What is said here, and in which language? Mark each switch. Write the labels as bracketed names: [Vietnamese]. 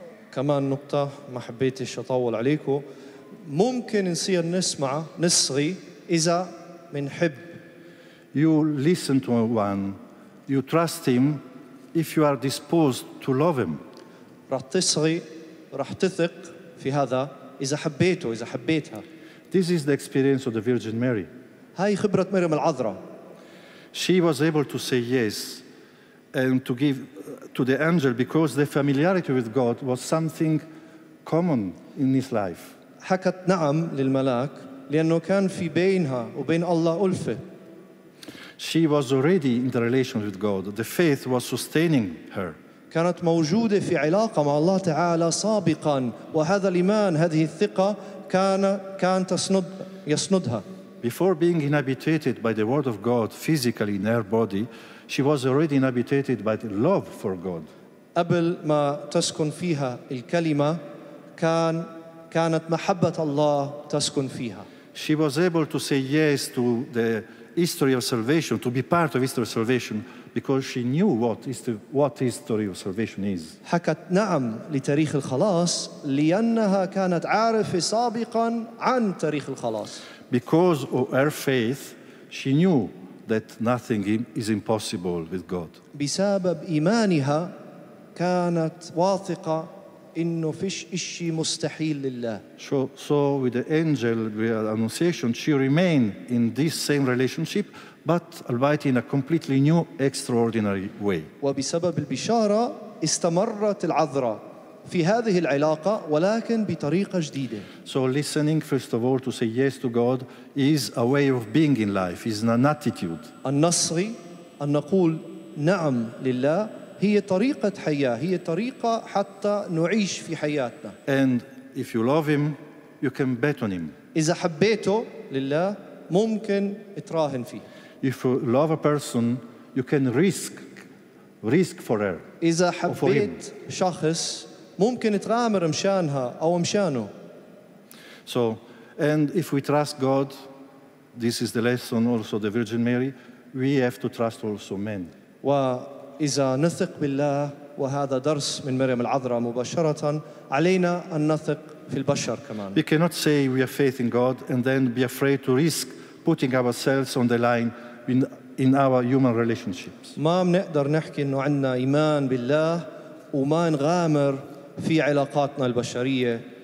[Arabic] فكمان نقطة ما حبيتش أطول عليكم ممكن نصير نسمع نصغي إذا منحب. [English] You listen to one. You trust him if you are disposed to love him. [Arabic] راح تصغي راح تثق في هذا إذا حبيته إذا حبيتها. [English] This is the experience of the Virgin Mary. [Arabic] هاي خبرة مريم العذراء. [English] She was able to say yes and to give to the angel because the familiarity with God was something common in his life. [Arabic] حكت نعم للملاك لأنه كان في بينها وبين الله ألفة. [English] She was already in the relation with God. The faith was sustaining her. [Arabic] كانت موجودة في علاقة مع الله تعالى سابقاً، وهذا الإيمان، هذه الثقة، كان يسندها. [English] Before being inhabited by the Word of God physically in her body, she was already inhabited by the love for God. [Arabic] قبل ما تسكن فيها الكلمة، كانت محبة الله تسكن فيها. [English] She was able to say yes to the history of salvation, to be part of history of salvation, because she knew what history of salvation is. [Arabic] حكت نعم لتاريخ الخلاص لأنها كانت عارفة سابقاً عن تاريخ الخلاص. [English] Because of her faith, she knew that nothing is impossible with God. [Arabic] بسبب إيمانها كانت واثقة إنه فيش إشي مستحيل لله. [English] So with the angel with the Annunciation, she remained in this same relationship, but albeit in a completely new, extraordinary way. [Arabic] وبسبب البشارة استمرت العذراء في هذه العلاقة ولكن بطريقة جديدة. [English] So listening, first of all, to say yes to God is a way of being in life, is an attitude. [Arabic] أن نصغي، أن نقول نعم لله. هي طريقة حياة، هي طريقة حتى نعيش في حياتنا. [English] And if you love him, you can bet on him. [Arabic] إذا حبيته لله، ممكن تراهن فيه. [English] If you love a person, you can risk for her. [Arabic] إذا حبيت شخص ممكن تغامر مشانها أو مشانه. [English] So, and if we trust God, this is the lesson also the Virgin Mary, we have to trust also men. [Arabic] وإذا نثق بالله وهذا درس من مريم العذراء مباشرة علينا أن نثق في البشر كمان. [English] We cannot say we have faith in God and then be afraid to risk putting ourselves on the line in our human relationships. [Arabic] ما بنقدر نحكي إنه عندنا إيمان بالله وما نغامر في علاقاتنا البشرية.